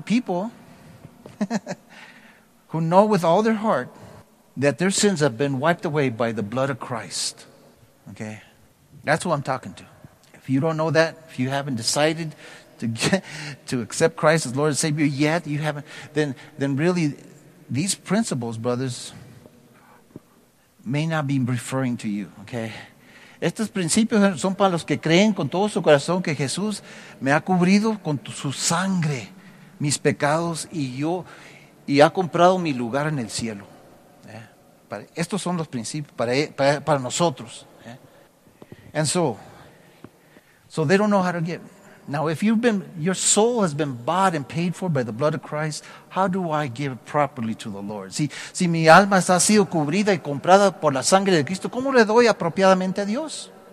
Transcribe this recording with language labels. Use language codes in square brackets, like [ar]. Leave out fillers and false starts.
[en] people who know with all their heart that their sins have been wiped away by the blood of Christ. Okay? That's who I'm talking to. If you don't know that, if you haven't decided to accept Christ as Lord and Savior yet, you haven't, then really these principles, brothers, may not be referring to you, okay? [es] Estos principios son para los que creen con todo su corazón que Jesús me ha cubrido con su sangre mis pecados y ha comprado mi lugar en el cielo. Yeah. Estos son los principios para nosotros. Yeah. [en] And so they don't know how to give. Now, if your soul has been bought and paid for by the blood of Christ, how do I give properly to the Lord? [es] Si mi alma ha sido cubrida y comprada por la sangre de Cristo, ¿cómo le doy apropiadamente a Dios?